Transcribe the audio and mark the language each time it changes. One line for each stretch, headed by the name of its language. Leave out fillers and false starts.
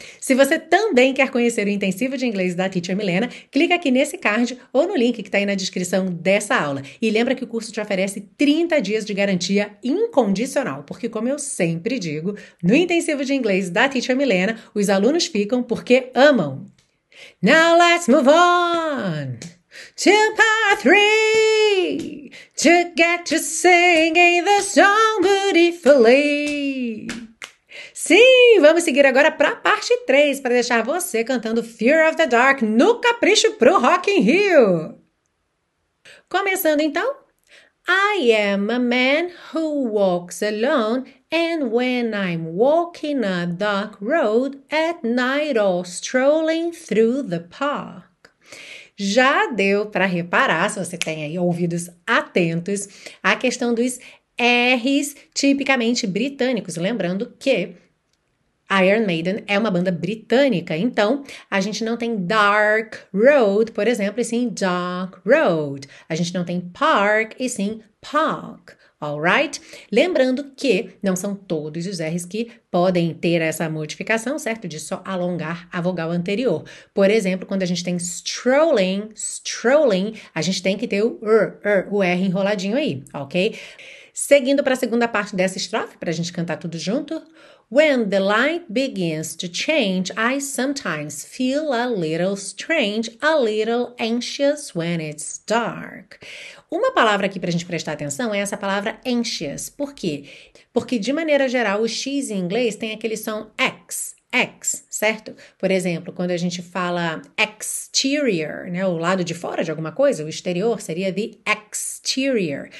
Portuguese: Se você também quer conhecer o intensivo de inglês da Teacher Milena, clica aqui nesse card ou no link que está aí na descrição dessa aula. E lembra que o curso te oferece 30 dias de garantia incondicional, porque como eu sempre digo, no intensivo de inglês da Teacher Milena, os alunos ficam porque amam.
English: Now let's move on to part three, to get to singing the song beautifully.
Portuguese: Sim, vamos seguir agora para a parte 3, para deixar você cantando Fear of the Dark no capricho pro Rock in Rio. Começando então.
English: I am a man who walks alone, and when I'm walking a dark road at night or strolling through the park.
Portuguese: Já deu para reparar, se você tem aí ouvidos atentos, a questão dos R's tipicamente britânicos. Lembrando que Iron Maiden é uma banda britânica, então a gente não tem dark road, por exemplo, e sim dark road. A gente não tem park e sim park. Alright? Lembrando que não são todos os R's que podem ter essa modificação, certo? De só alongar a vogal anterior. Por exemplo, quando a gente tem strolling, strolling, a gente tem que ter o R enroladinho aí, ok? Seguindo para a segunda parte dessa estrofe, para a gente cantar tudo junto.
English: When the light begins to change, I sometimes feel a little strange, a little anxious when it's dark.
Portuguese: Uma palavra aqui para a gente prestar atenção é essa palavra anxious. Por quê? Porque, de maneira geral, o X em inglês tem aquele som X, X, certo? Por exemplo, quando a gente fala exterior, né, o lado de fora de alguma coisa, o exterior seria the exterior.